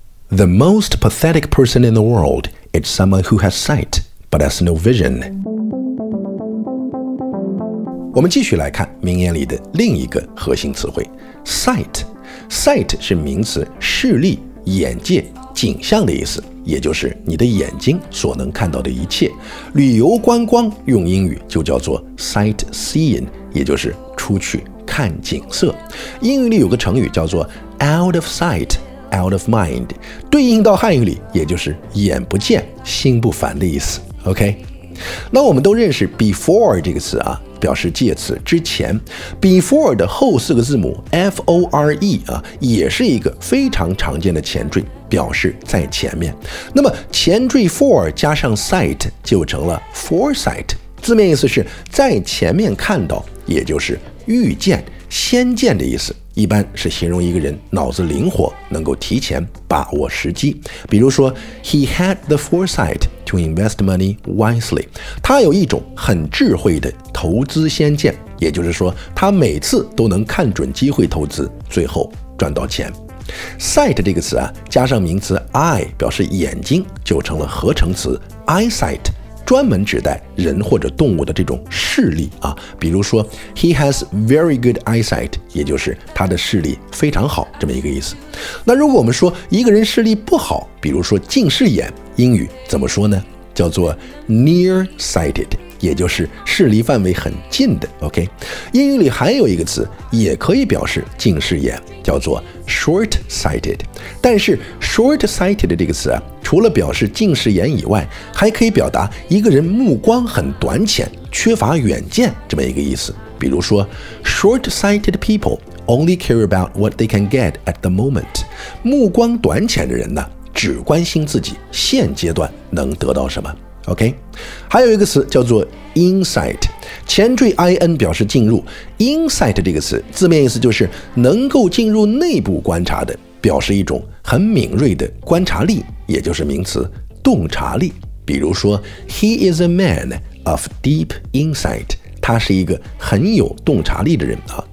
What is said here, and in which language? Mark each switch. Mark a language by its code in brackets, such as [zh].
[en] The most pathetic person in the world is someone who has sight but has no vision. [zh] 我们继续来看名言里的另一个核心词汇 sight。 sight 是名词，视力、眼界、景象的意思，也就是你的眼睛所能看到的一切。旅游观光用英语就叫做 sightseeing， 也就是出去看景色。英语里有个成语叫做 [en] out of sight。Out of mind， [zh] 对应到汉语里，也就是眼不见心不烦的意思。 OK， 那我们都认识 before 这个词啊，表示介词之前。 before 的后四个字母 fore 啊，也是一个非常常见的前缀，表示在前面。那么前缀 for 加上 sight 就成了 foresight， 字面意思是在前面看到，也就是预见、先见的意思。一般是形容一个人脑子灵活，能够提前把握时机。比如说 [en] ，He had the foresight to invest money wisely。 [zh] 他有一种很智慧的投资先见，也就是说，他每次都能看准机会投资，最后赚到钱。 Sight 这个词啊，加上名词 eye 表示眼睛，就成了合成词 eyesight。专门指代人或者动物的这种视力啊，比如说 [en] He has very good eyesight， [zh] 也就是他的视力非常好，这么一个意思。那如果我们说一个人视力不好，比如说近视眼，英语怎么说呢？叫做 nearsighted， 也就是视力范围很近的。 OK， 英语里还有一个词也可以表示近视眼，叫做 shortsighted。但是 shortsighted 这个词啊，除了表示近视眼以外，还可以表达一个人目光很短浅，缺乏远见，这么一个意思。比如说 [en] short-sighted people only care about what they can get at the moment， [zh] 目光短浅的人呢，只关心自己现阶段能得到什么。 OK， 还有一个词叫做 insight， 前缀 in 表示进入。 insight 这个词字面意思就是能够进入内部观察的，表示一种很敏锐的观察力，也就是名词洞察力。比如说 [en] He is a man of deep insight， [zh] 他是一个很有洞察力的人啊。